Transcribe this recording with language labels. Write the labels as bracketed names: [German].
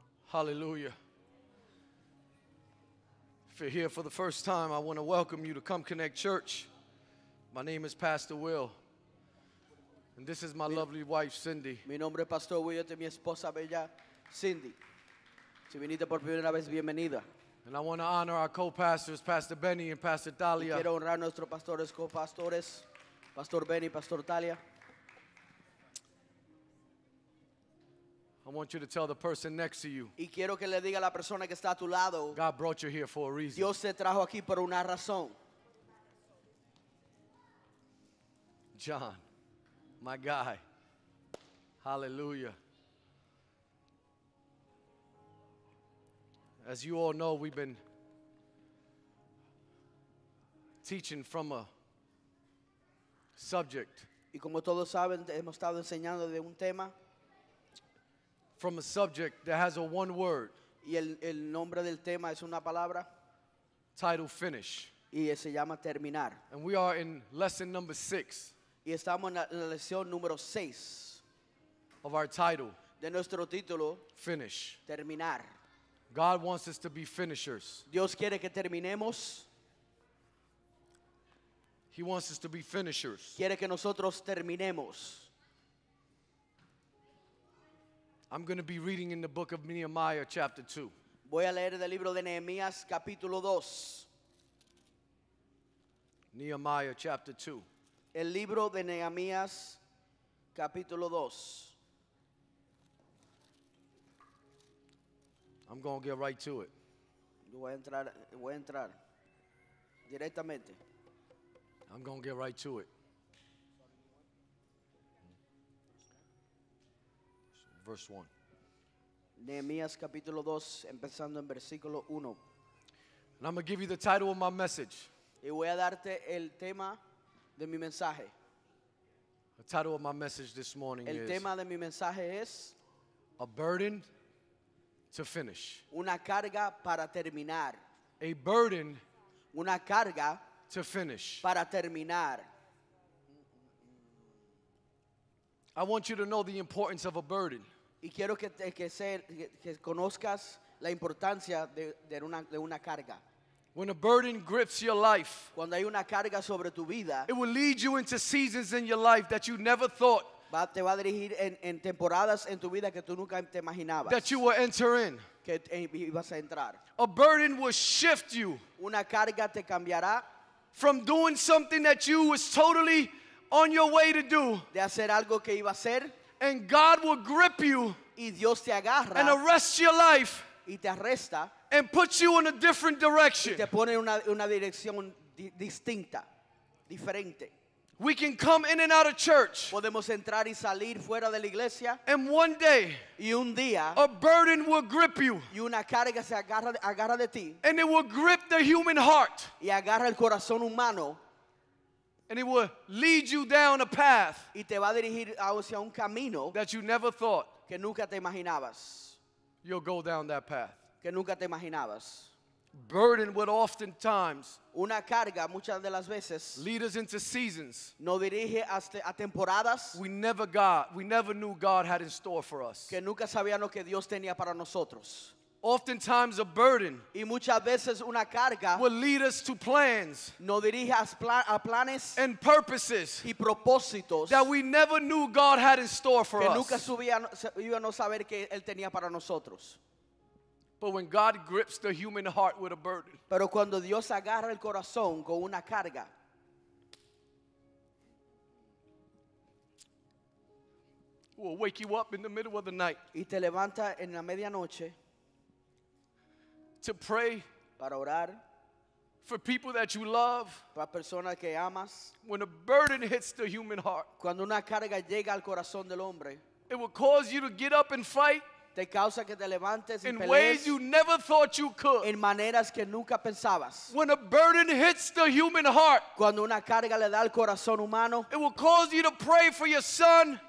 [English] Hallelujah. If you're here for the first time, I want to welcome you to Come Connect Church. My name is Pastor Will, and this is my lovely wife, Cindy. [Spanish] Mi nombre es Pastor Will, y mi esposa bella, Cindy. Si viniste por primera vez, bienvenida. [English] And I want to honor our co-pastors, Pastor Benny and Pastor Talia. [Spanish] Quiero honrar nuestros pastores co-pastores, Pastor Benny, Pastor Talia. [English] I want you to tell the person next to you. [Spanish] Y quiero que le diga a la persona que está a tu lado. [English] God brought you here for a reason. [Spanish] Dios te trajo aquí por una razón. [English] John, my guy. Hallelujah. As you all know, we've been teaching from a subject. [Spanish] Y como todos saben, hemos estado enseñando de un tema. [English] From a subject that has a one word. [Spanish] Y el nombre del tema es una palabra. [English] Title finish. [Spanish] Y se llama terminar. [English] And we are in lesson number 6. [Spanish] Y estamos en la lección número 6. [English] Of our title. [Spanish] De nuestro título. [English] Finish. [Spanish] Terminar. [English] God wants us to be finishers. [Spanish] Dios quiere que terminemos. [English] He wants us to be finishers. [Spanish] Quiere que nosotros terminemos. [English] I'm going to be reading in the book of Nehemiah, chapter 2. [Spanish] Voy a leer del libro de Nehemías, capítulo 2. [English] Nehemiah, chapter 2. [Spanish] El libro de Nehemías, capítulo 2. [English] I'm going to get right to it. [Spanish] Voy a entrar directamente. [English] I'm going to get right to it. Verse 1. [Spanish] Nehemías capítulo 2, empezando en versículo 1. [English] And I'm going to give you the title of my message. [Spanish] Y voy a darte el tema de mi mensaje. [English] The title of my message this morning [Spanish] el [English] is. [Spanish] El tema de mi mensaje es. [English] A burden to finish. [Spanish] Una carga para terminar. [English] A burden. [Spanish] Una carga. [English] To finish. [Spanish] Para terminar. [English] I want you to know the importance of a burden. [Spanish] Y quiero que conozcas la importancia de una carga. [English] When a burden grips your life, [Spanish] cuando hay una carga sobre tu vida, [English] it will lead you into seasons in your life that you never thought. [Spanish] Te va a dirigir en temporadas en tu vida que tú nunca te imaginabas. [English] That you will enter in. [Spanish] Que ibas a entrar. [English] A burden will shift you. [Spanish] Una carga te cambiará. [English] From doing something that you was totally on your way to do. [Spanish] De hacer algo que iba a hacer. [English] And God will grip you. [Spanish] Y Dios te agarra. [English] And arrest your life. [Spanish] Y te arresta. [English] And put you in a different direction. [Spanish] Y te pone en una dirección distinta, diferente. [English] We can come in and out of church. [Spanish] Podemos entrar y salir fuera de la iglesia. [English] And one day, [Spanish] y un día, [English] a burden will grip you. [Spanish] Y una carga se agarra de ti. [English] And it will grip the human heart. [Spanish] Y agarra el corazón humano. [English] And it will lead you down a path. [Spanish] Y te va a dirigir hacia un camino [English] that you never thought. [Spanish] Que nunca te imaginabas. [English] You'll go down that path. [Spanish] Que nunca te imaginabas. [English] Burden would oftentimes [Spanish] una carga, muchas de las veces, [English] lead us into seasons. [Spanish] No dirige hasta a temporadas. [English] We never knew God had in store for us. [Spanish] Que nunca sabíamos que Dios tenía para nosotros. [English] Oftentimes a burden [Spanish] y muchas veces una carga [English] will lead us to plans. [Spanish] No dirige a planes [English] and purposes [Spanish] y propósitos [English] that we never knew God had in store for [Spanish] us. Que nunca íbamos a saber que él tenía para nosotros. [English] But when God grips the human heart with a burden, [Spanish] pero cuando Dios agarra el corazón con una carga, [English] will wake you up in the middle of the night, [Spanish] y te levanta en la medianoche, [English] to pray, [Spanish] para orar, [English] for people that you love, [Spanish] para personas que amas. [English] When a burden hits the human heart, [Spanish] cuando una carga llega al corazón del hombre, [English] it will cause you to get up and fight. [Spanish] Te causa que te levantes [English] in ways you never thought you could. [Spanish] En maneras que nunca pensabas. [English] When a burden hits the human heart, [Spanish] cuando una carga le da al corazón humano, [English] it will cause you to pray for your son.